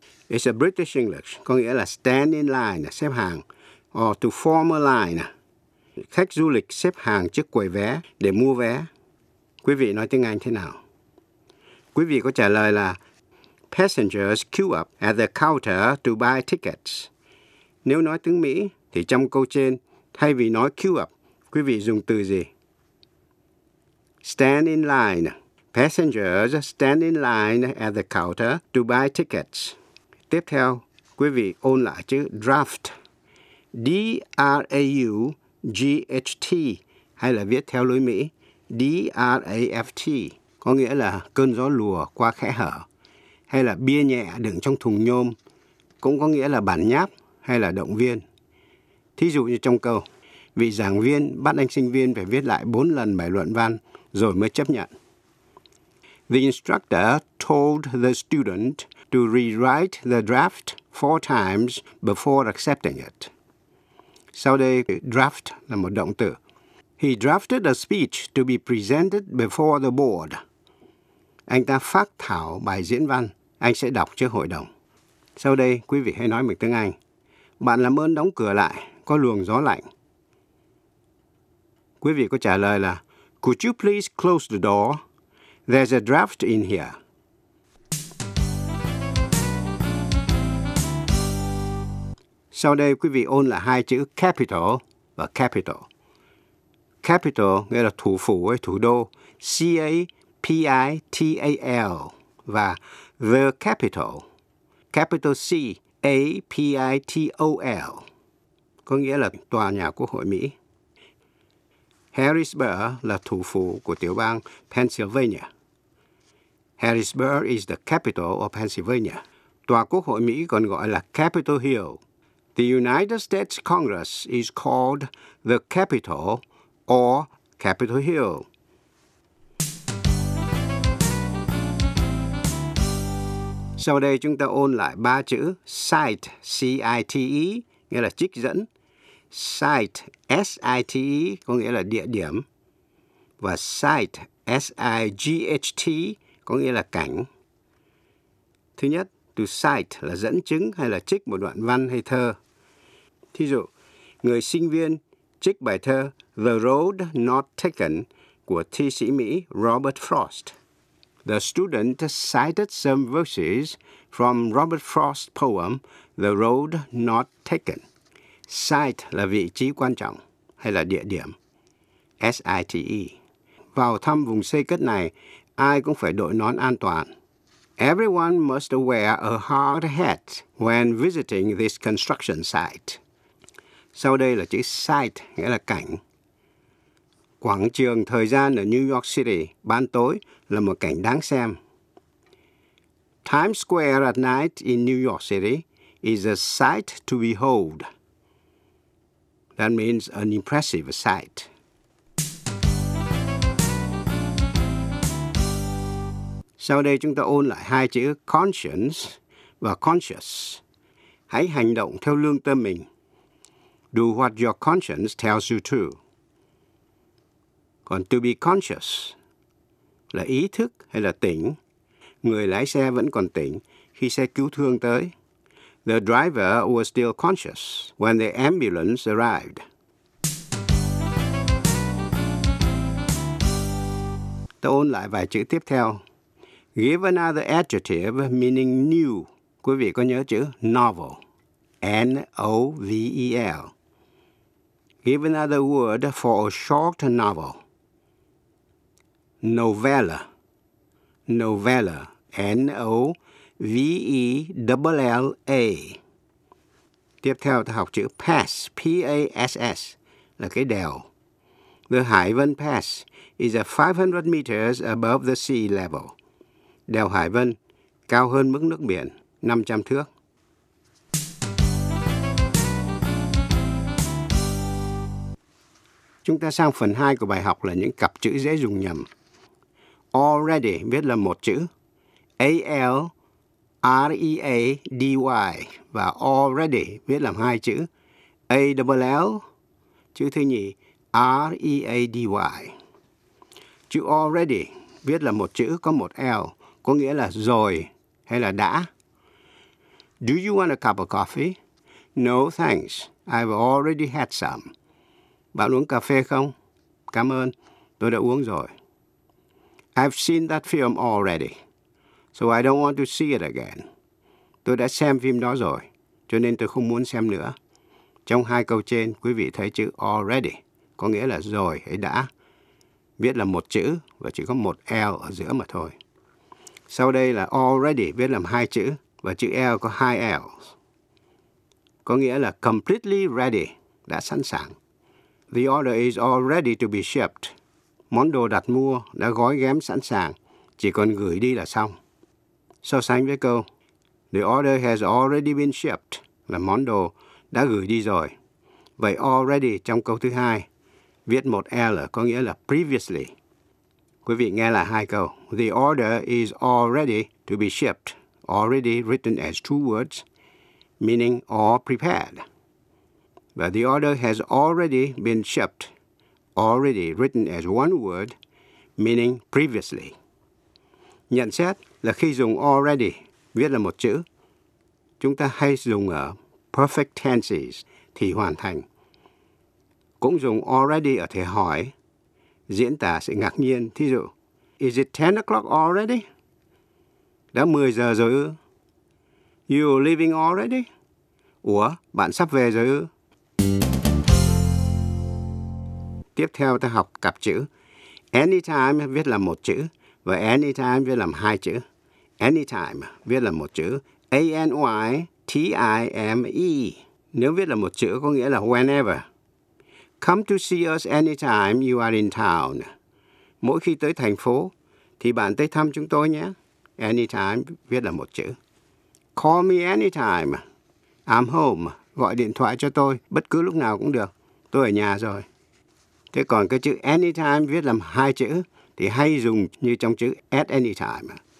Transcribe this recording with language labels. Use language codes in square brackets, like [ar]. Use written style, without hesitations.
[en] It's a British English, [vi] có nghĩa là [en] stand in line, [vi] xếp hàng, [en] or to form a line. [vi] Khách du lịch xếp hàng trước quầy vé để mua vé. quý vị nói tiếng Anh thế nào? Quý vị có trả lời là [en] passengers queue up at the counter to buy tickets. [vi] Nếu nói tiếng Mỹ thì trong câu trên, thay vì nói queue up, quý vị dùng từ gì? [en] Stand in line. Passengers stand in line at the counter to buy tickets. [vi] Tiếp theo, quý vị ôn lại chữ draft. D-R-A-U-G-H-T hay là viết theo lối Mỹ. D-R-A-F-T có nghĩa là cơn gió lùa qua khẽ hở. Hay là bia nhẹ đựng trong thùng nhôm. Cũng có nghĩa là bản nháp hay là động viên. Thí dụ như trong câu, vị giảng viên bắt anh sinh viên phải viết lại 4 lần bài luận văn rồi mới chấp nhận. [en] The instructor told the student to rewrite the draft 4 times before accepting it. [vi] Sau đây, draft là một động từ. [en] He drafted a speech to be presented before the board. [vi] Anh ta phác thảo bài diễn văn, anh sẽ đọc trước hội đồng. Sau đây, quý vị hãy nói bằng tiếng Anh. Bạn làm ơn đóng cửa lại, có luồng gió lạnh. Quý vị có trả lời là [en] Could you please close the door? There's a draft in here. [vi] Sau đây quý vị ôn lại hai chữ capital và capital. Capital nghĩa là thủ phủ hay thủ đô, C-A-P-I-T-A-L và the capital, capital C-A-P-I-T-O-L, có nghĩa là tòa nhà quốc hội Mỹ. Harrisburg là thủ phủ của tiểu bang Pennsylvania. [en] Harrisburg is the capital of Pennsylvania. [vi] Tòa quốc hội Mỹ còn gọi là Capitol Hill. [en] The United States Congress is called the Capitol or Capitol Hill. [vi] Sau đây chúng ta ôn lại ba chữ cite, C-I-T-E, nghĩa là trích dẫn. Site, S-I-T-E, có nghĩa là địa điểm. Và site, S-I-G-H-T, có nghĩa là cảnh. Thứ nhất, to cite là dẫn chứng hay là trích một đoạn văn hay thơ. Thí dụ, người sinh viên trích bài thơ The Road Not Taken của thi sĩ Mỹ Robert Frost. [en] The student cited some verses from Robert Frost's poem The Road Not Taken. [vi] Site là vị trí quan trọng hay là địa điểm. S-I-T-E. Vào thăm vùng xây cất này, ai cũng phải đội nón an toàn. [en] Everyone must wear a hard hat when visiting this construction site. [vi] Sau đây là chữ site, nghĩa là cảnh. Quảng trường thời gian ở New York City ban tối là một cảnh đáng xem. [en] Times Square at night in New York City is a sight to behold. That means an impressive sight. [vi] Sau đây chúng ta ôn lại hai chữ conscience và conscious. Hãy hành động theo lương tâm mình. [en] Do what your conscience tells you to. [vi] Còn to be conscious là ý thức hay là tỉnh. Người lái xe vẫn còn tỉnh khi xe cứu thương tới. [en] The driver was still conscious when the ambulance arrived. [vi] Tôi ôn lại vài chữ tiếp theo. [en] Give another adjective meaning new. [vi] Quý vị có nhớ chữ [en] novel? N-O-V-E-L. Give another word for a short novel. Novella. Novella. N-O-V-E-L-L-A. [vi] Tiếp theo ta học chữ pass. P-A-S-S. Là cái đèo. [en] The Hải Vân Pass is at 500 meters above the sea level. [vi] Đèo Hải Vân cao hơn mức nước biển 500 thước. Chúng ta sang phần 2 của bài học là những cặp chữ dễ dùng nhầm. Already viết là một chữ. A-L-R-E-A-D-Y và already viết làm hai chữ. A-L-L, chữ thứ nhì, R-E-A-D-Y. Chữ already viết là một chữ có một L, có nghĩa là rồi hay là đã. [en] Do you want a cup of coffee? No, thanks. I've already had some. [vi] Bạn uống cà phê không? Cảm ơn, tôi đã uống rồi. [en] I've seen that film already, so I don't want to see it again. [vi] Tôi đã xem phim đó rồi, cho nên tôi không muốn xem nữa. Trong hai câu trên, quý vị thấy chữ already có nghĩa là rồi hay đã. Viết là một chữ và chỉ có một L ở giữa mà thôi. Sau đây là already viết làm hai chữ và chữ L có hai L. Có nghĩa là [en] completely ready, [vi] đã sẵn sàng. [en] The order is all ready to be shipped. [vi] Món đồ đặt mua đã gói ghém sẵn sàng, chỉ còn gửi đi là xong. So sánh với câu, [en] the order has already been shipped, [vi] là món đồ đã gửi đi rồi. Vậy already trong câu thứ hai, viết một L có nghĩa là previously. Quý vị nghe lại hai câu. [en] The order is already to be shipped, already written as two words, meaning all prepared. But the order has already been shipped, already written as one word, meaning previously. [vi] Nhận xét là khi dùng already, viết là một chữ, chúng ta hay dùng ở [en] perfect tenses, [vi] thì hoàn thành. Cũng dùng already ở thể hỏi, diễn tả sự ngạc nhiên. [en] Thí dụ, is it 10 o'clock already? [vi] Đã 10 giờ rồi ư? [en] You leaving already? [vi] Ủa, bạn sắp về rồi ư? Tiếp theo ta học cặp chữ. Anytime viết là một chữ và anytime viết làm hai chữ. Anytime viết là một chữ. A-N-Y-T-I-M-E. Nếu viết là một chữ có nghĩa là whenever. [en] Come to see us anytime you are in town. [vi] Mỗi khi tới thành phố thì bạn tới thăm chúng tôi nhé. Anytime viết là một chữ. [en] Call me anytime. I'm home. [vi] Gọi điện thoại cho tôi bất cứ lúc nào cũng được. Tôi ở nhà rồi. Thế còn cái chữ anytime viết làm hai chữ thì hay dùng như trong chữ [en] at any time.